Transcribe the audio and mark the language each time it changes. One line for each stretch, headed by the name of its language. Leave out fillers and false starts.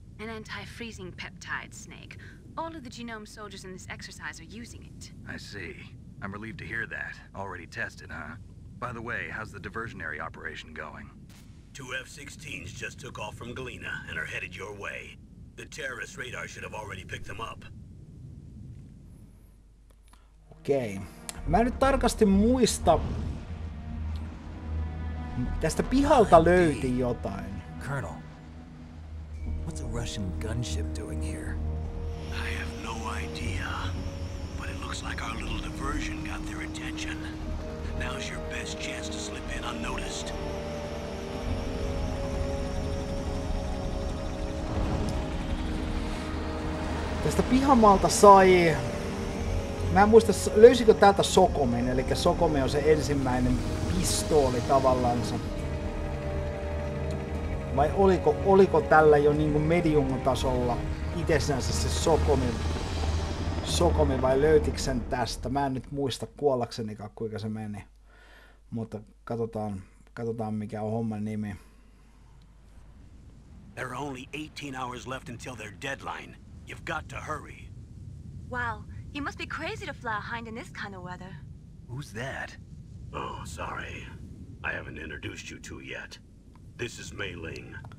English: An anti-freezing peptide, Snake. All of the genome soldiers in this exercise are using it. I see. I'm relieved to hear that. Already tested, huh? By the way, how's the diversionary operation going? Two F-16s just took off from Galena and are headed your way. The terrorist radar should have already picked them up. Okei.
Finnish: Okay. Mä en nyt tarkasti muista. Tästä pihalta löytin jotain.
English: Colonel, what's a Russian gunship doing here? I have no idea. But it looks like our little diversion got their attention. Now's your best chance to slip in unnoticed.
Finnish: Tästä pihamaalta sai... Mä en muista, löysikö täältä Sokomen, eli Sokomen on se ensimmäinen pistooli tavallansa. Vai oliko tällä jo niinku medium-tasolla itsensä se Sokomen? Sokomen vai löytikö sen tästä? Mä en nyt muista kuollaksenikaan, kuinka se meni. Mutta katsotaan mikä on homman nimi.
English: There are only 18 hours left until their deadline. You've got to hurry. Wow, he must be crazy to fly behind in this kind of weather. Who's that? Oh, sorry. I haven't introduced you to yet. This is Mei Ling.